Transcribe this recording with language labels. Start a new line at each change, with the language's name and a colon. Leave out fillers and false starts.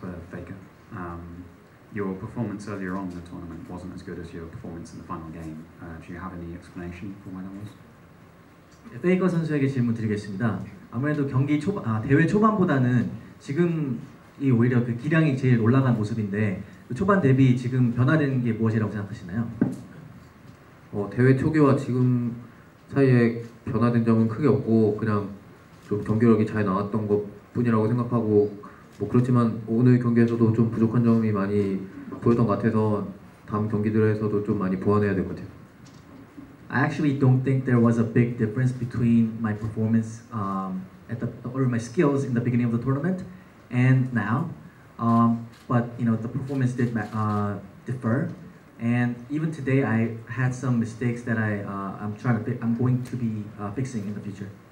English: Faker, your performance earlier on in the tournament wasn't as good as your performance in the final game. Do you have any explanation for why that was?
Korean: Faker 선수에게 질문 드리겠습니다. 아무래도 경기 초반, 대회 초반보다는 지금이 오히려 그 기량이 제일 올라간 모습인데 초반 대비 지금 변화된 게 무엇이라고 생각하시나요? 대회 초기와 지금 사이에 변화된 점은 크게 없고 그냥 좀 경기력이 잘 나왔던 것뿐이라고 생각하고. 뭐 그렇지만 오늘 경기에서도 좀 부족한 점이 많이 보였던 것 같아서 다음 경기들에서도 좀 많이 보완해야 될 것 같아요.
English: I actually don't think there was a big difference between my performance or my skills in the beginning of the tournament and now. But you know the performance did differ. And even today I had some mistakes that I'm going to be fixing in the future.